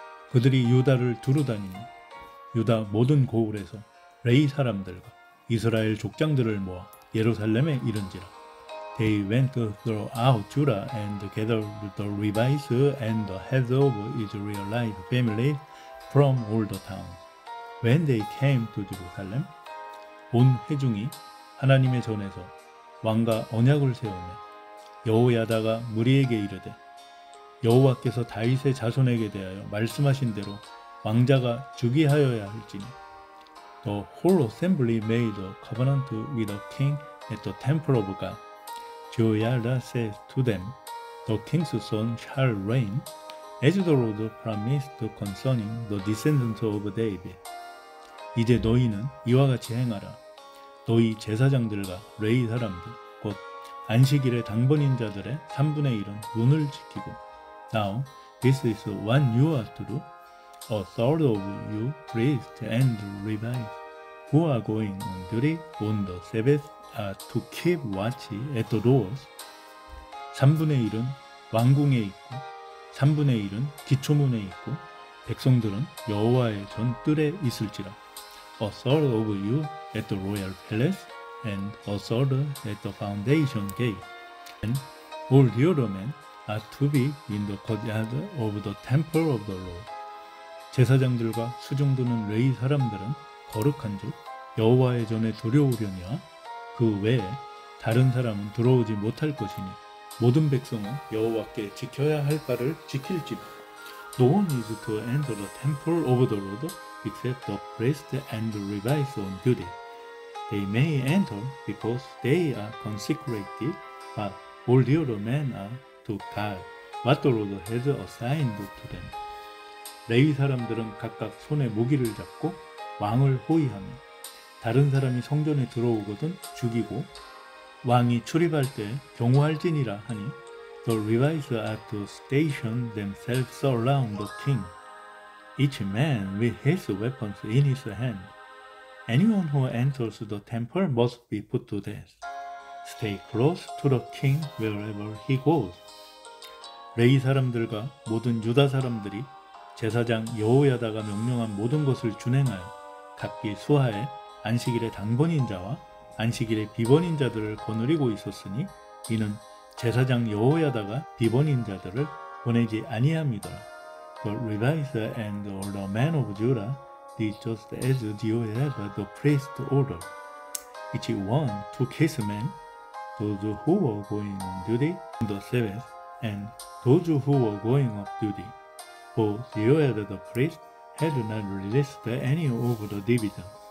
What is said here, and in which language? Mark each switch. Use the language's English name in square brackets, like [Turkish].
[Korean] 그들이 유다를 두루다니며 유다 모든 고을에서 레이 사람들과 이스라엘 족장들을 모아 예루살렘에 이른지라. [English] They went throughout Judah and gathered the Levites and the heads of Israelite families from all the towns. When they came to Jerusalem, [Korean] 온 회중이 하나님의 전에서 왕과 언약을 세우며 여호야다가 무리에게 이르되 여호와께서 다윗의 자손에게 대하여 말씀하신 대로 왕자가 즉위하여야 할지니 [English] The whole assembly made a covenant with the king at the temple of God. Jehoiada says to them, The king's son shall reign, as the Lord promised concerning the descendants of David. [Korean] 이제 너희는 이와 같이 행하라. 너희 제사장들과 레위 사람들, 곧 안식일의 당번인 자들의 3분의 1은 룬을 지키고. [English] Now, this is what you are to do. A third of you priests and Levites who are going on duty on the Sabbath are to keep watch at the doors. [Korean] 3분의 1은 왕궁에 있고 3분의 1은 기초문에 있고 백성들은 여호와의 전뜰에 있을지라. [English] A third of you at the royal palace and a third at the foundation gate. And all the other men are to be in the courtyard of the temple of the Lord. [Korean] 제사장들과 수종드는 레위 사람들은 거룩한 줄 여호와의 전에 들어오려니와 그 외에 다른 사람은 들어오지 못할 것이니 모든 백성은 여호와께 지켜야 할 바를 지킬지라. [English] No one is to enter the temple of the Lord except the priests and Levites on duty. They may enter because they are consecrated, but all the other men are to guard what the Lord has assigned to them. [Korean] 레위 사람들은 각각 손에 무기를 잡고 왕을 호위하며 다른 사람이 성전에 들어오거든 죽이고 왕이 출입할 때 경호할지니라 하니 [English] The Levites are to station themselves around the king, each man with his weapons in his hand. Anyone who enters the temple must be put to death. Stay close to the king wherever he goes. [Korean] 레위 사람들과 모든 유다 사람들이 제사장 여호야다가 명령한 모든 것을 준행하여 각기 수하에 안식일의 당번인자와 안식일의 비번인자들을 거느리고 있었으니 이는 제사장 여호야다가 비번인자들을 보내지 아니함이더라. [English] The Levites and all the men of Judah did just as Jehoiada the priest ordered. Each one took his men, those who were going on duty on the Sabbath, and those who were going off duty. For Jehoiada the priest had not released any of the divisions.